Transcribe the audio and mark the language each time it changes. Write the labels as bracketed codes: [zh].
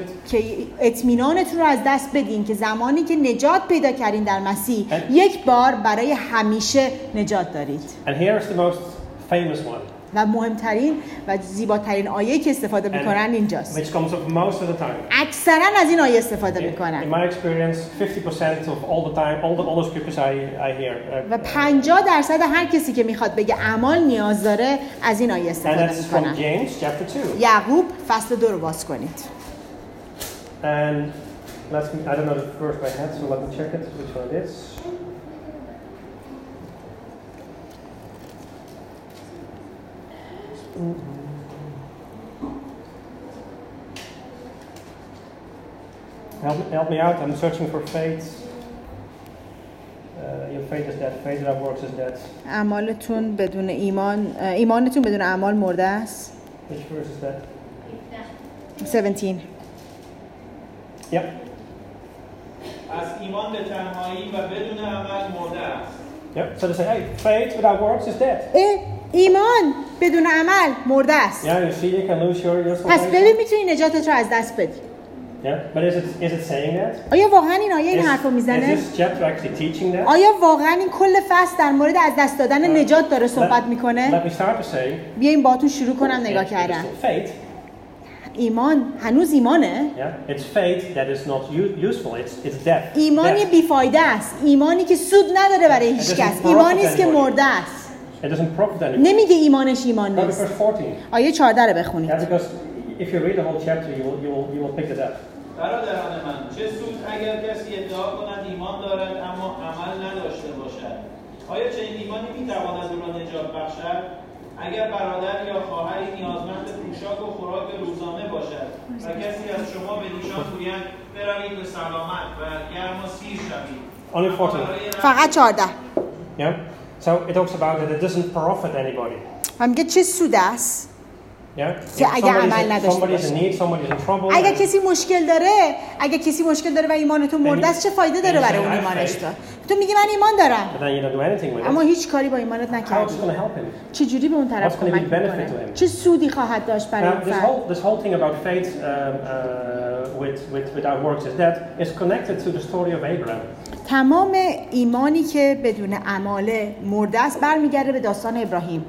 [fa] که اطمینانتون رو از دست بدین که زمانی که نجات پیدا کردین در مسیح یک بار برای همیشه نجات دارید. [en] And here is the most famous one. [fa] و مهمترین و زیباترین آیه که استفاده میکنن اینجاست. [en] Which comes up most of the time. [fa] اکثرا از این آیه استفاده میکنن. [en] In my experience 50% of all the time all the scriptures I hear. [fa] و 50% هر کسی که میخواد بگه اعمال نیاز داره از این آیه استفاده میکنن. [en] And that's from James chapter 2. [fa] یعقوب فصل 2 رو باز کنید. [en] And let's I don't know the first by heart so let me check it which one it is. Help me out, I'm searching for faith. Your faith is dead, faith that works is dead. [fa] اعمالتون بدون ایمان، ایمانتون بدون اعمال مرده است. [en] Which verse is that? 17. Yep. [fa] از ایمان به تنهایی و بدون عمل مرده است. [en] Yep. So they say, hey, faith without works is dead. [fa] ایمان بدون عمل مرده است. [en] Yeah, you see, you can lose your [fa] پس ببین میتونی نجاتت رو از دست بدی. [en] Yeah, but is it saying that? [fa] آیا واقعا این آیه این حرفو میزنه؟ [en] Is this chapter actually teaching that? [fa] آیا واقعا این کل فصل در مورد از دست دادن نجات داره صحبت میکنه؟ [en] Let me start to say. [fa] بیاین باهاتون شروع کنم نگاه کردن. [en] Faith. [fa] ایمان هنوز ایمانه. [en] Yeah, it's faith that is not useful. It's death. [fa] ایمانی بی فایده است. ایمانی که سود نداره برای هیچ کس. ایمانی است که مرده است. [en] It doesn't profit anybody. [fa] نمیگه ایمانش ایمان نیست. [en] Verse 14. [fa] آیه 14 رو بخونید. [en] If you read the whole chapter, you will pick it up. [fa] برادران من، چه سود اگر کسی ادعا کند ایمان دارد اما عمل نداشته باشد؟ آیا چنین ایمانی میتواند او را نجات بخشد؟ اگر برادر یا خواهری نیازمند پوشاک و خوراک روزانه باشد و کسی از شما به نیشان گوید بروید به سلامت و گرم و سیر شوید؟ فقط 14. [en] Yeah. So it talks about that it doesn't profit anybody. I'm get [fa] چه سود است؟ [en] Yeah. [fa] که اگه عمل نداشته باشه اگه کسی مشکل داره اگه کسی مشکل داره و ایمانتون مرده است چه فایده داره برای اون ایمانش تو میگی من ایمان دارم اما هیچ کاری با ایمانت نکردی چه جوری به اون طرف کمک میکنه چه سودی خواهد داشت برای اون تمام ایمانی که بدون اعمال مرده است برمیگرده به داستان ابراهیم.